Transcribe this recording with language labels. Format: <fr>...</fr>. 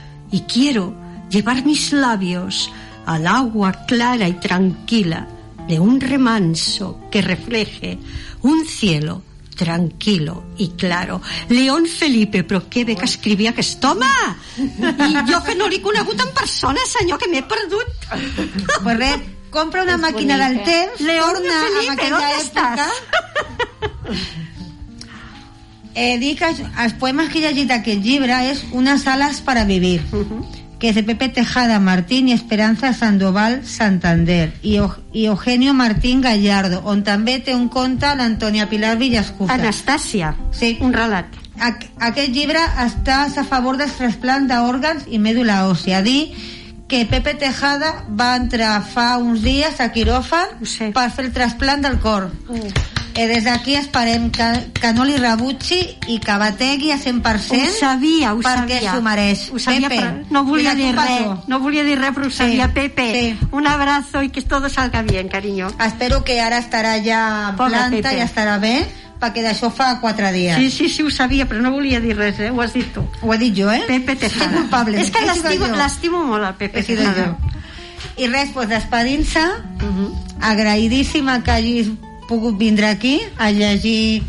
<es>Y quiero llevar mis labios al agua clara y tranquila de un remanso que refleje un cielo tranquilo y claro.</es> <ca>León Felipe, però que bé que escrivia aquest home! I jo que no l'he conegut en persona, senyor, que m'he perdut. Pues res, compra una es màquina bonic, del temps, León torna Felipe, a aquella època. Estàs? Dic que els poemes que he llegit aquest llibre és Unes ales per a vivir, que és de Pepe Tejada Martín i Esperanza Sandoval Santander i Eugenio Martín Gallardo, on també té un conte l'Antònia Pilar Villascusa. Anastàsia, sí, un relat. Aquest llibre està a favor del trasplant d'òrgans i mèdula òssia. Dir que Pepe Tejada va entrar fa uns dies a quiròfan per fer el trasplant del cor. Des d'aquí esperem que no li rebutgi i que bategui a 100%. Ho sabia, ho perquè sabia. S'ho mereix. Ho sabia, Pepe, no volia dir res. No volia dir res, però ho sabia, sí, Pepe. Sí.</ca> <es>Un abrazo i que todo salga bien, cariño.</es> <ca>Espero que ara estarà ja en Pobre planta Pepe. I estarà bé, perquè d'això fa 4 dies. Sí, sí, sí, ho sabia, però no volia dir res, eh? Ho has dit tu. Ho he dit jo, eh? Pepe Tejada. Sí, culpable. És que l'estimo molt, el Pepe Tejada. I res, pues, despedint-se, agraïdíssima que hagis pogut vindre aquí a llegir.</ca>